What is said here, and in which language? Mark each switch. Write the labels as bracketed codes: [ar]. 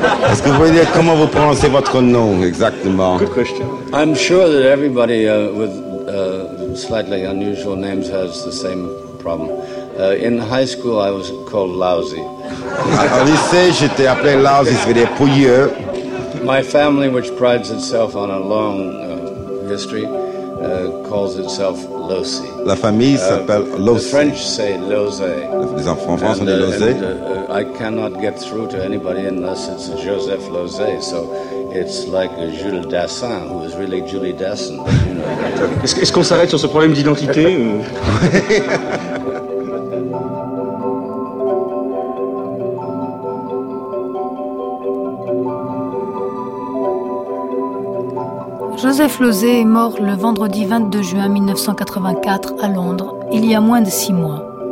[fr] Est-ce que vous pouvez dire comment vous prononcez votre nom exactement? [en] Good question. I'm sure that everybody with slightly unusual names has the same problem. In high school, I was called lousy. [fr] Au lycée, j'étais appelé lousy, ça veut dire pouilleux. [en] My family, which prides itself on a long history, calls itself Losey. [fr] La famille s'appelle Losey. [en] The French say Losey. [fr] Les enfants français disent Losey. [en] I cannot get through to anybody unless it's Joseph Losey. So it's like Jules Dassin, who is really Julie Dassin. You know. [fr] Est-ce qu'on s'arrête sur ce problème d'identité ou... Joseph Losey est mort le vendredi 22 juin 1984 à Londres, il y a moins de 6 mois.